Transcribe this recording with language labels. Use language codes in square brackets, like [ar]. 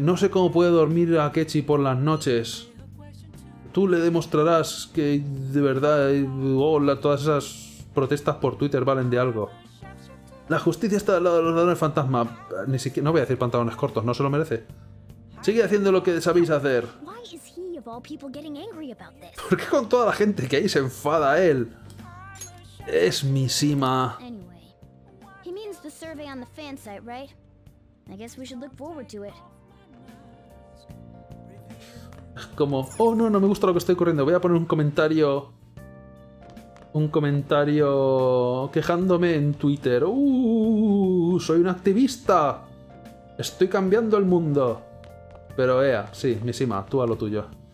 [es] No sé cómo puede dormir a Ketchy por las noches. Tú le demostrarás que de verdad todas esas protestas por Twitter valen de algo. La justicia está al lado de los Ladrones Fantasma. Ni siquiera, no voy a decir pantalones cortos, no se lo merece. Sigue haciendo lo que sabéis hacer. ¿Por qué es él [en] of all people getting angry about this? [es] ¿Por qué con toda la gente que ahí se enfada él? Es Mishima. [en] Anyway, he means the survey on the fan site, right? I guess we should look forward to it. [es] Como, oh no, no me gusta lo que estoy ocurriendo. Voy a poner un comentario. Un comentario quejándome en Twitter. Soy un activista. Estoy cambiando el mundo. Pero ea, sí, Mishima, tú a lo tuyo.